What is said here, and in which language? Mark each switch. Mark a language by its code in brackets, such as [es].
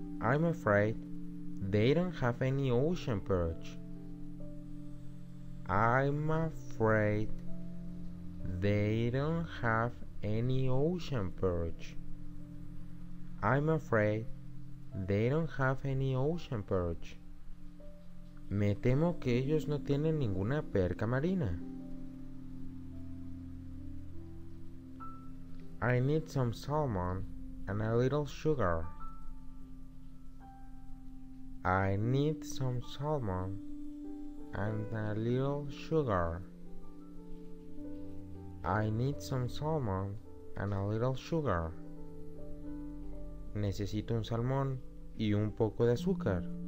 [en] I'm afraid they don't have any ocean perch. I'm afraid they don't have any ocean perch. I'm afraid they don't have any ocean perch. [es] Me temo que ellos no tienen ninguna perca marina. [en] I need some salmon and a little sugar. I need some salmon and a little sugar. I need some salmon and a little sugar. [es] Necesito un salmón y un poco de azúcar.